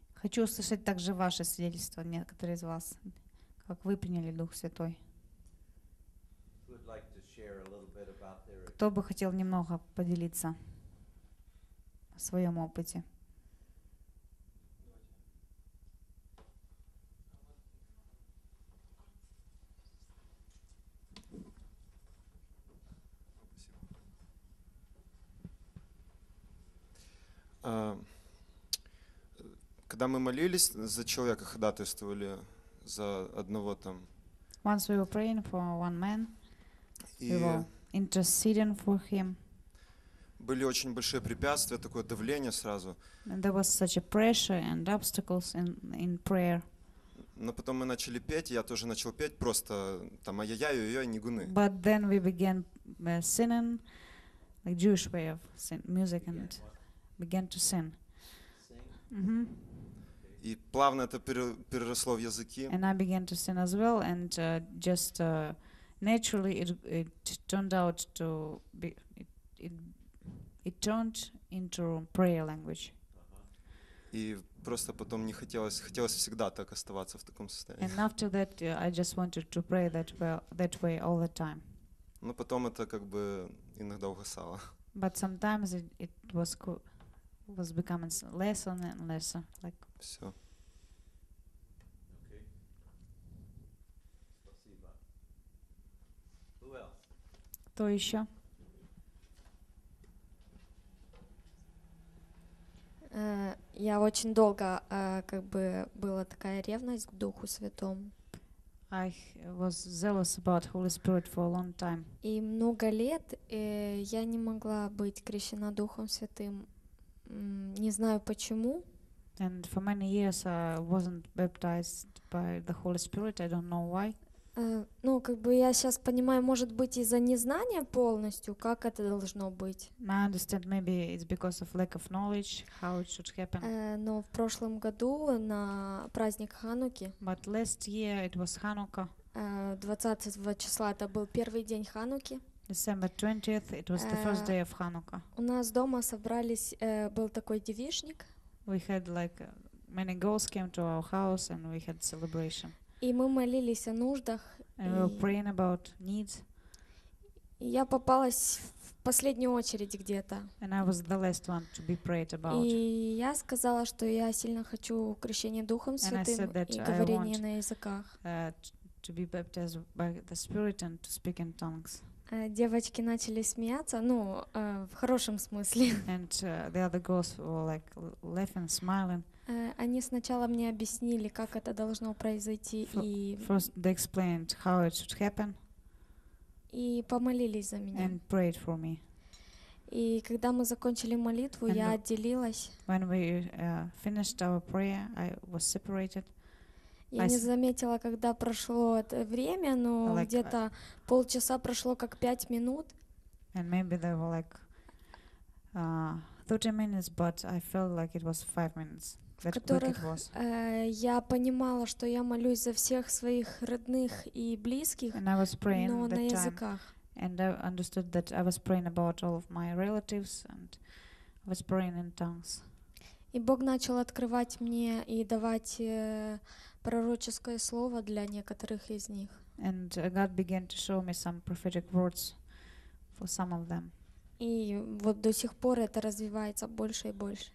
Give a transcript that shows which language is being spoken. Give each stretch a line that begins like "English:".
Russian: Хочу услышать также ваше свидетельство, некоторые из вас, как вы приняли Дух Святой.
English: Would like to share a little bit about their
Russian: experience. Кто бы хотел немного поделиться о своем опыте? Когда мы молились за человека, ходатайствовали за одного там.
English: Once we were praying for one man, we were interceding for him.
Russian: Были очень большие препятствия, такое давление сразу.
English: And there was such a pressure and obstacles in prayer.
Russian: Но потом мы начали петь, я тоже начал петь просто там ай-яй-яй-яй, нигуны.
English: But then we began singing, like Jewish way of music, and began to sing. Mm-hmm.
Russian: И плавно это переросло в языки.
English: And I began to sing as well, and just naturally it turned out to be it turned into prayer language.
Russian: И просто потом не хотелось всегда так оставаться в таком состоянии.
English: And after that, I just wanted to pray that way all the time.
Russian: Но потом это как бы иногда угасало.
English: But sometimes it was was becoming less and less, like.
Russian: Все. Кто еще? Я очень долго, как бы, была такая ревность к Духу Святому.
English: I was zealous about Holy Spirit for a long time.
Russian: И много лет я не могла быть крещена Духом Святым. Не знаю почему.
English: And for many years I wasn't baptized by the Holy Spirit. I don't know why.
Russian: Ну, как бы я сейчас понимаю, может быть, из-за незнания полностью, как это должно быть.
English: I understand maybe it's because of lack of knowledge how it should happen.
Russian: Но в прошлом году на праздник Хануки.
English: But last year it was Hanukkah.
Russian: 20 числа это был первый день Хануки.
English: December 20th, it was the first day of Hanukkah.
Russian: У нас дома собрались, был такой девичник.
English: We had like many girls came to our house and we had celebration.
Russian: И мы молились о нуждах.
English: And we were praying about needs.
Russian: И я попалась в последнюю очередь где-то.
English: And I was the last one to be prayed about.
Russian: И я сказала, что я сильно хочу крещение Духом Святым и говорение на языках.
English: To be baptized by the Spirit and to speak in tongues.
Russian: Девочки начали смеяться, ну, в хорошем смысле.
English: And the other girls were like laughing, smiling.
Russian: Они сначала мне объяснили, как это должно произойти, и
English: first they explained how it should happen.
Russian: И помолились за меня.
English: And prayed for me.
Russian: И когда мы закончили молитву, я отделилась.
English: When we finished our prayer, I was separated.
Russian: Я не заметила, когда прошло это время, но like где-то полчаса прошло, как 5 минут.
English: And maybe there were like 30 minutes, but I felt like it was 5 minutes. That
Russian: в которых я понимала, что я молюсь за всех своих родных и близких,
English: and I was praying
Russian: но
English: that
Russian: на
English: time,
Russian: языках.
English: And I understood that I was praying about all of my relatives and I was praying in tongues.
Russian: И Бог начал открывать мне и давать пророческое слово для некоторых из них.
English: And God began to show me some prophetic words for some of them.
Russian: И вот до сих пор это развивается больше и больше.